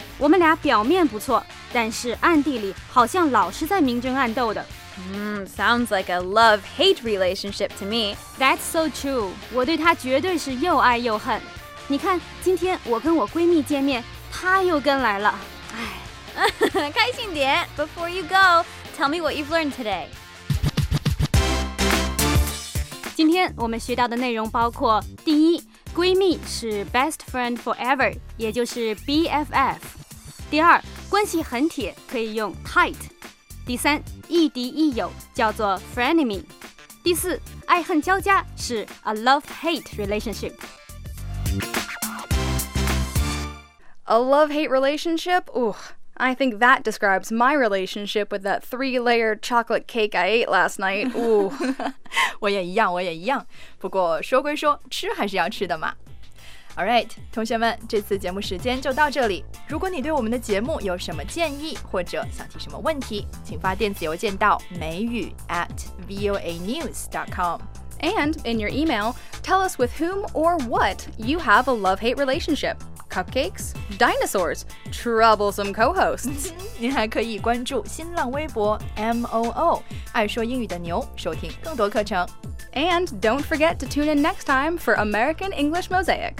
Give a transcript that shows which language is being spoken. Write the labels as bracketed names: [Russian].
[Chinese] 我们俩表面不错，但是暗地里好像老是在明争暗斗的。 [English] Sounds like a love-hate relationship to me. That's so true. [Chinese] 我对她绝对是又爱又恨。你看，今天我跟我闺蜜见面，她又跟来了。哎，开心点。 [English] Before you go, tell me what you've learned today. [Chinese] 今天我们学到的内容包括第一，闺蜜是 best friend forever，也就是 BFF。第二，关系很铁可以用 tight。第三，亦敌亦友叫做 frenemy。第四，爱恨交加是 a love-hate relationship。 [English] A love-hate relationship? Ooh, I think that describes my relationship with that 3-layered chocolate cake I ate last night. Ooh. [Chinese] 我也一样，我也一样。不过说归说，吃还是要吃的嘛。 All right，同学们，这次节目时间就到这里。如果你对我们的节目有什么建议，或者想提什么问题，请发电子邮件到美语@voanews.com。 [English] And in your email, tell us with whom or what you have a love-hate relationship. Cupcakes? Dinosaurs? Troublesome co-hosts? [Chinese] 您还可以关注新浪微博 MOO, 爱说英语的牛，收听更多课程。 [English] And don't forget to tune in next time for American English Mosaic.